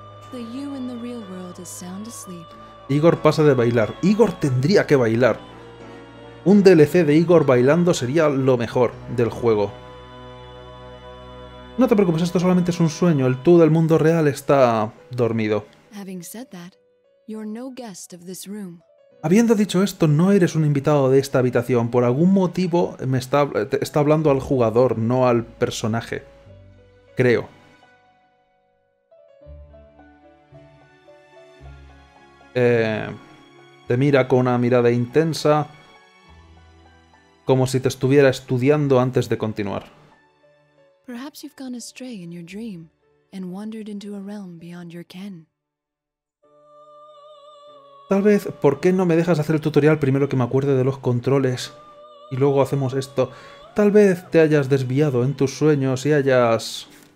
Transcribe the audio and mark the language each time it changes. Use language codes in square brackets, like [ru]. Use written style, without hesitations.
[en] The you in the real world is sound asleep. [es] Igor pasa de bailar. Igor tendría que bailar. Un DLC de Igor bailando sería lo mejor del juego. No te preocupes, esto solamente es un sueño. El tú del mundo real está dormido. [en] Having said that, you're no guest of this room. [es] Habiendo dicho esto, no eres un invitado de esta habitación. Por algún motivo te está hablando al jugador, no al personaje. Creo. Te mira con una mirada intensa, como si te estuviera estudiando antes de continuar. [en] Perhaps you've gone astray in your dream and wandered into a realm beyond your ken. [es] Tal vez, ¿por qué no me dejas hacer el tutorial primero que me acuerde de los controles y luego hacemos esto? Tal vez te hayas desviado en tus sueños y hayas...